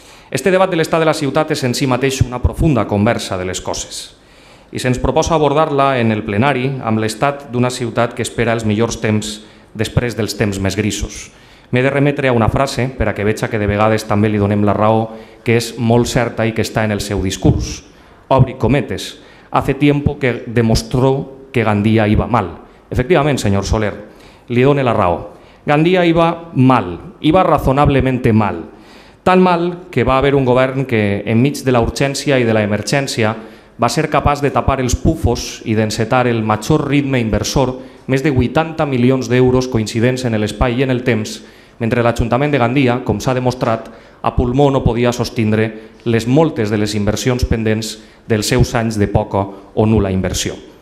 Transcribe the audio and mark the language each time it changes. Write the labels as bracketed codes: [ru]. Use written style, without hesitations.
[ca] Este debat de l'estat de la ciutat és en si mateix una profunda conversa de les coses. I se'ns proposa abordar-la en el plenari amb l'estat d'una ciutat que espera els millors temps després dels temps més grisos. M'he de remetre a una frase per a que veig que de vegades també li donem la raó, que és molt certa i que està en el seu discurs. Obri cometes. [es] Hace tiempo que demostró que Gandia iba mal. [ca] Efectivament, senyor Soler, li dóna la raó. [es] Gandia iba mal, iba razonablemente mal. [ca] Tan mal que va haver un govern que, enmig de la urgència i de la emergència, va ser capaç de tapar els pufos i d'encetar el major ritme inversor, més de 80 milions d'euros coincidents en l'espai i en el temps, mentre l'Ajuntament de Gandia, com s'ha demostrat, a pulmó no podia sostindre les moltes de les inversions pendents dels seus anys de poca o nula inversió.